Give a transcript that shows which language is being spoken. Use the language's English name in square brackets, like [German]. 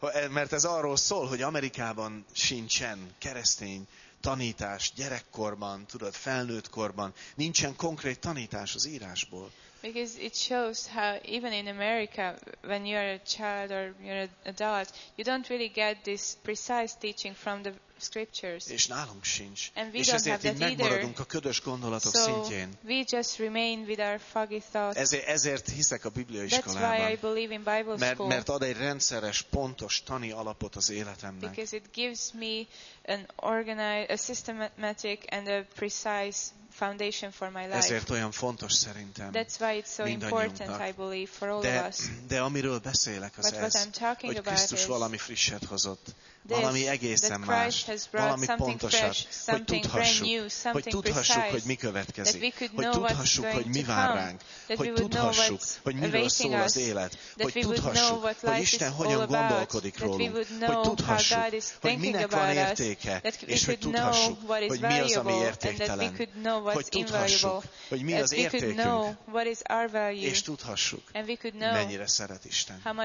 [Hungarian] Mert ez arról szól, hogy Amerikában sincsen keresztény tanítás gyerekkorban, tudod, felnőtt korban, nincsen konkrét tanítás az írásból. [English] Because it shows how even in America, when you are a child or you're an adult, you don't really get this precise teaching from the scriptures. [Hungarian] És nálunk sincs. [English] And we [Hungarian] és ezért itt megmaradunk a ködös gondolatok [English] so [Hungarian] szintjén. [English] We just remain with our foggy thoughts. [Hungarian] Ezért hiszek a Bibliaiskolában. [English] That's why I believe in Bible school. [Hungarian] Mert ad egy rendszeres, pontos tani alapot az életemnek. [English] Because it gives me an organized, a systematic and a precise foundation for my life. [Hungarian] Ezért olyan fontos szerintem. [English] That's why it's so important, I believe, for all of us. [Hungarian] De amiről beszélek az ez, hogy Krisztus valami frisset hozott, valami egészen más, valami pontosat, hogy tudhassuk, hogy mi következik, hogy tudhassuk, hogy mi vár ránk, hogy tudhassuk, hogy miről szól az élet, hogy tudhassuk, hogy Isten hogyan gondolkodik rólunk, hogy tudhassuk, hogy minek van értéke, és hogy tudhassuk, hogy mi az, ami értéktelen, hogy tudhassuk, hogy mi az értékünk, és tudhassuk, mennyire szeret Isten.